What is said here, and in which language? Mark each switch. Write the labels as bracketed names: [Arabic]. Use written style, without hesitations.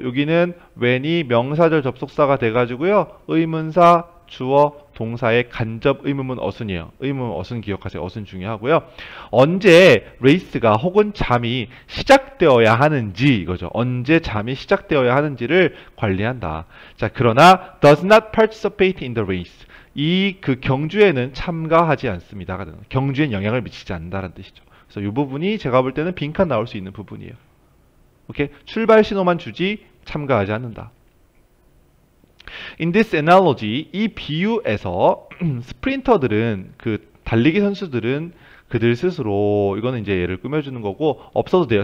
[Korean] 여기는 when이 명사절 접속사가 돼 가지고요. 의문사, 주어, 동사의 간접 의문문 어순이에요. 의문문 어순 기억하세요. 어순 중요하고요. 언제 레이스가 혹은 잠이 시작되어야 하는지 이거죠. 언제 잠이 시작되어야 하는지를 관리한다. 자, 그러나 [English] does not participate in the race. [Korean] 이그 경주에는 참가하지 않습니다가 되는 경주엔 영향을 미치지 않는다는 뜻이죠. 그래서 이 부분이 제가 볼 때는 빈칸 나올 수 있는 부분이에요. 오케이? 출발 신호만 주지 참가하지 않는다. [English] In this analogy, [Korean] 이 비유에서 스프린터들은 그 달리기 선수들은 그들 스스로 이거는 이제 얘를 꾸며주는 거고 없어도 돼요.